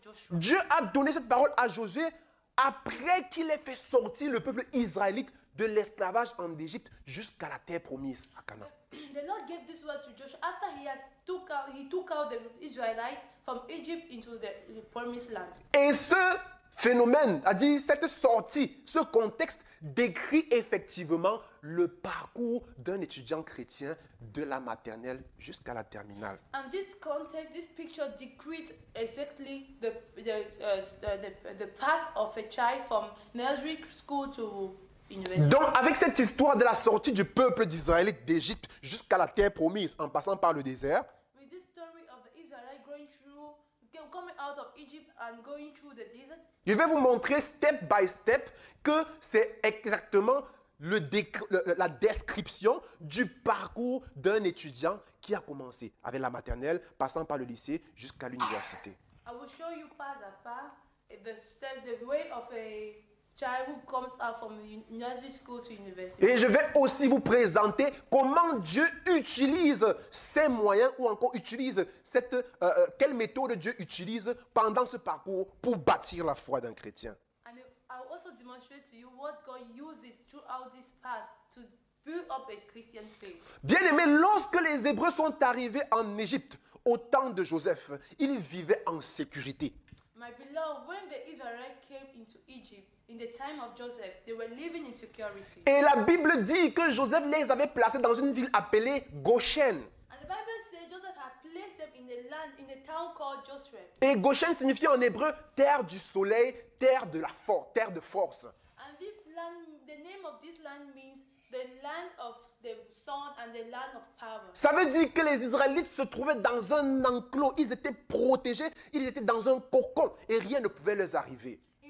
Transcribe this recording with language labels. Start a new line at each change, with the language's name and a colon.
French: Dieu a donné cette parole à Josué après qu'il ait fait sortir le peuple israélite de l'esclavage en Égypte jusqu'à la terre promise à Canaan.
English: The Lord gave this word to Joshua after he took out the Israelites from Egypt into the promised land.
French: Et ce phénomène, c'est-à-dire cette sortie, ce contexte décrit effectivement le parcours d'un étudiant chrétien de la maternelle jusqu'à la terminale.
English: And this context, this picture decreed exactly the path of a child from nursery school to university.
French: Donc avec cette histoire de la sortie du peuple d'Israélite d'Égypte jusqu'à la terre promise en passant par le désert,
English: with this story of the Israelite going through coming out of Egypt and going through the desert.
French: Je vais vous montrer
English: step by step
French: que c'est exactement la description du parcours d'un étudiant qui a commencé avec la maternelle, passant par le lycée jusqu'à l'université.
English: I will show you
French: pas à pas
English: the way of a child who comes out from nursery school to university.
French: Et je vais aussi vous présenter comment Dieu utilise ces moyens ou encore utilise quelle méthode Dieu utilise pendant ce parcours pour bâtir la foi d'un chrétien.
English: And I will also demonstrate to you what God uses throughout this path to build up a Christian faith.
French: Bien-aimés, lorsque les Hébreux sont arrivés en Égypte au temps de Joseph, ils vivaient en sécurité.
English: My beloved, when the Israelites came into Egypt in the time of Joseph, they were living in security.
French: Et la Bible dit que Joseph les avait placés dans une ville appelée Goshen.
English: And the Bible says Joseph had placed them in a land in a town called Joseph.
French: Et Goshen signifie en hébreu terre du soleil, terre de la force, terre de force.
English: And this land, the name of this land means the land of the sun and the land of power.
French: Ça veut dire que les Israélites se trouvaient dans un enclos, ils étaient protégés, ils étaient dans un cocon et rien ne pouvait leur arriver.